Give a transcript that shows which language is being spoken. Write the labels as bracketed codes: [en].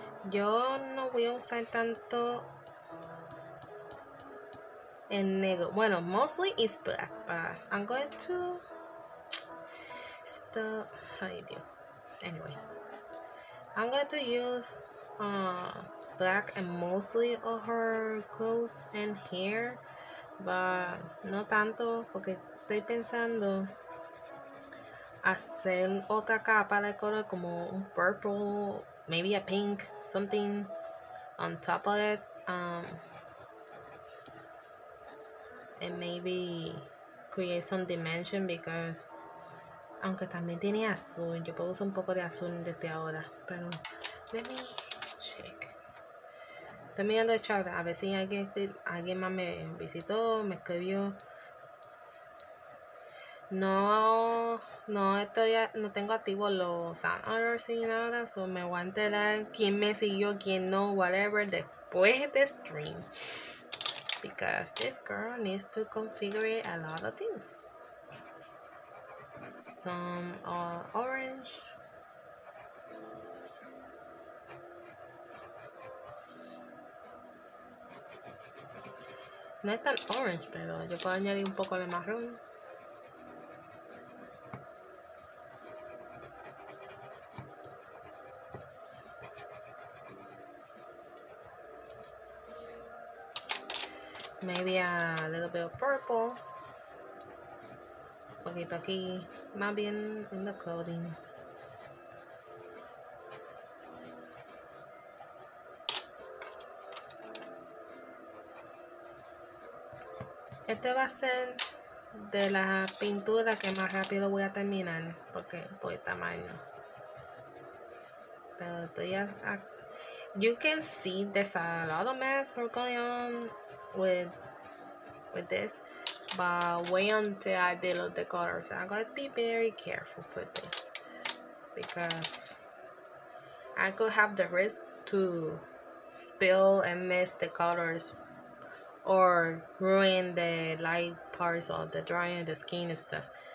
[es] Yo no voy a usar tanto en negro. [en] Bueno, mostly it's black, but I'm going to stop. [es] Ay, Dios. [en] Anyway, I'm going to use black and mostly on her clothes and hair, but [es] no tanto porque estoy pensando hacer otra capa de color como un [en] purple maybe a pink something on top of it. And maybe create some dimension, because [es] aunque también tiene azul, yo puedo usar un poco de azul desde ahora. Pero [en] let me check. [es] Estoy mirando el chat a ver si alguien más me visitó, me escribió. No tengo activo los sound orders y nada, so me voy a enterar quién me siguió, quién no, whatever, después de stream. [en] Because this girl needs to configure a lot of things. Some orange. [es] No es tan orange, pero yo puedo añadir un poco de marrón. [en] Maybe a little bit of purple. [es] Poquito aquí. Más bien [en] in the clothing. [es] Este va a ser de la pintura que más rápido voy a terminar. Porque por el tamaño. Pero estoy a... [en] You can see there's a lot of mess going on with this, but wait until I delete the colors. I'm going to be very careful with this, because I could have the risk to spill and miss the colors or ruin the light parts of the drawing and the skin and stuff.